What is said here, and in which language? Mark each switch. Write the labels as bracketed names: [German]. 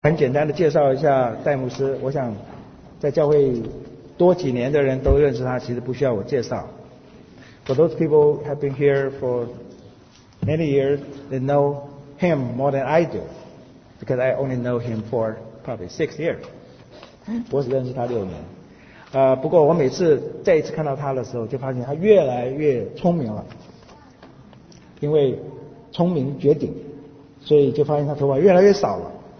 [Chinese] 很简单的介绍一下戴牧师，我想在教会多几年的人都认识他，其实不需要我介绍。 [English] For those people have been here for many years, they know him more than I do, because I only know him for probably 6 years. [Chinese] 我只认识他6年。不过我每次再一次看到他的时候，就发现他越来越聪明了，因为聪明绝顶，所以就发现他头发越来越少了。